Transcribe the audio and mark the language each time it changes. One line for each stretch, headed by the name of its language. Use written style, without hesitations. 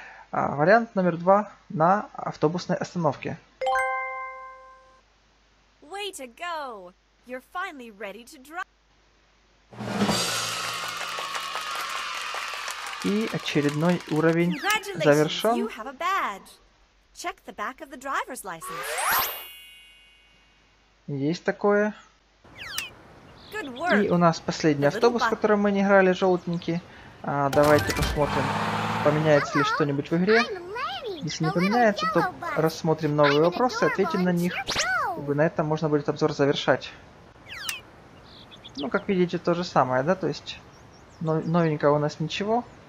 Russian: Вариант номер два — на автобусной остановке.
English: Way to go! You're finally ready to drive.
Russian: И очередной уровень завершён.
English: You have a badge. Check the back of the driver's license.
Russian: Есть такое. И у нас последний автобус, в котором мы не играли, желтенький. Давайте посмотрим, поменяется ли что-нибудь в игре. Если не поменяется, то рассмотрим новые вопросы, ответим на них. И на этом можно будет обзор завершать. Ну, как видите, то же самое, да? То есть новенького у нас ничего.